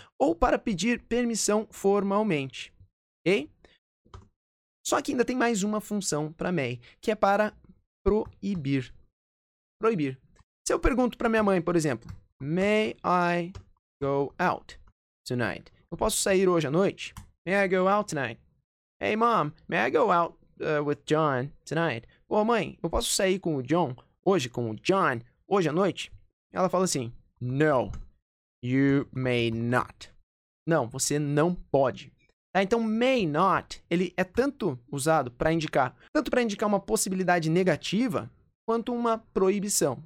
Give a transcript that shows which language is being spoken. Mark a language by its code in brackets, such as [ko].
[pt] Ou para pedir permissão formalmente, ok? Só que ainda tem mais uma função para may, que é para proibir. Proibir. Se eu pergunto para minha mãe, por exemplo, [en] may I go out tonight? [pt] Eu posso sair hoje à noite? [en] May I go out tonight? Hey, mom, may I go out with John tonight? [pt] Ô, mãe, eu posso sair com o John hoje, com o John, hoje à noite? Ela fala assim, [en] no, you may not. [pt] Não, você não pode. Tá, então, may not, ele é tanto usado para indicar, tanto para indicar uma possibilidade negativa, quanto uma proibição.